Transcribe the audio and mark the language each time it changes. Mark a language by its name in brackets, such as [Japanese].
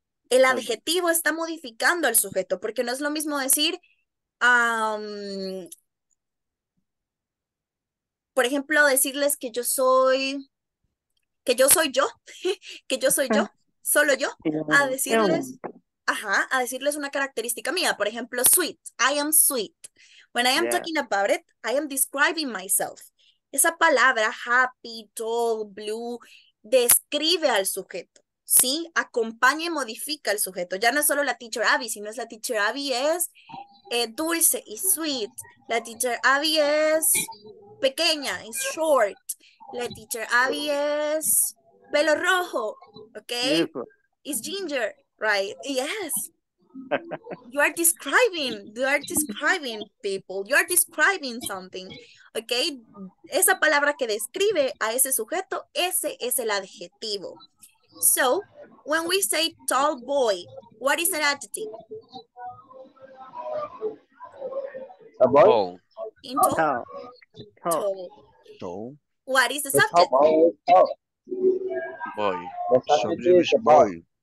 [Spanish] El adjetivo está modificando al sujeto, porque no es lo mismo decir, por ejemplo, decirles que yo soy yo, solo yo, a decirles una característica mía, por ejemplo, sweet, [English] I am sweet. When I am talking about it, I am describing myself. [Spanish] Esa palabra, happy, tall, blue, describe al sujeto. Sí, acompaña y modifica el sujeto. Ya no es solo la teacher Abby, sino es la teacher Abby es dulce y sweet. La teacher Abby es pequeña, es short. La teacher Abby es pelo rojo, ¿ok? [English] Is ginger, right? Yes. You are describing people. You are describing something, ¿ok? [Spanish] Esa palabra que describe a ese sujeto, ese es el adjetivo. [English] So, when we say tall boy, what is an adjective? A boy? Tall. In tall? Tall. Tall. Tall. What is the subject? Boy. The subject is boy.